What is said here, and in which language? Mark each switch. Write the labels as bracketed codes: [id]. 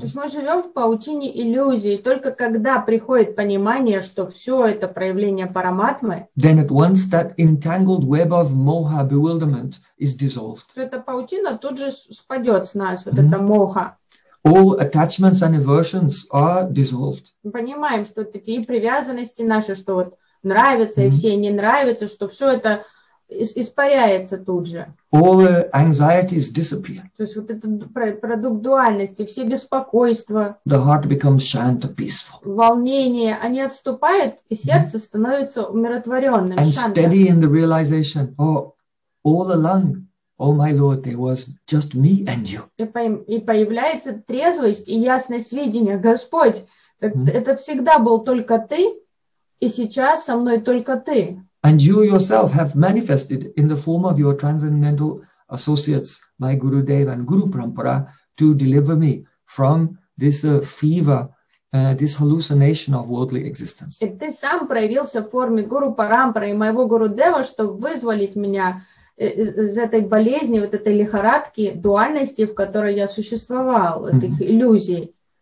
[ru] То есть мы живем в паутине иллюзий, только когда приходит понимание, что все это проявление параматмы, [en] then at once that entangled web of moha, bewilderment, is dissolved. [ru] Эта паутина тут же спадет с нас, вот mm-hmm. эта моха. [en] All attachments and aversions are dissolved. [ru] Мы понимаем, что вот эти привязанности наши, что вот нравятся mm-hmm. и все не нравятся, что все это испаряется тут же. [en] All anxieties disappear. [ru] То есть вот этот продукт дуальности, все беспокойства. [en] The heart becomes shant, peaceful. [ru] Волнение, они отступают, и сердце становится умиротворенным. [en] And [sa] shanta. [en] Steady in the realization, oh, all along, oh my Lord, there was just me and you. [ru] И появляется трезвость и ясность видения, Господь, это всегда был только ты, и сейчас со мной только ты. [en] And you yourself have manifested in the form of your transcendental associates, my Guru Dev and Guru Parampara, to deliver me from this fever, this hallucination of worldly existence. [ru] И ты сам проявился в форме Guru Parampara и моего Guru Deva, чтобы вызволить меня из этой болезни, вот этой лихорадки дуальности, в которой я существовал, этих иллюзий.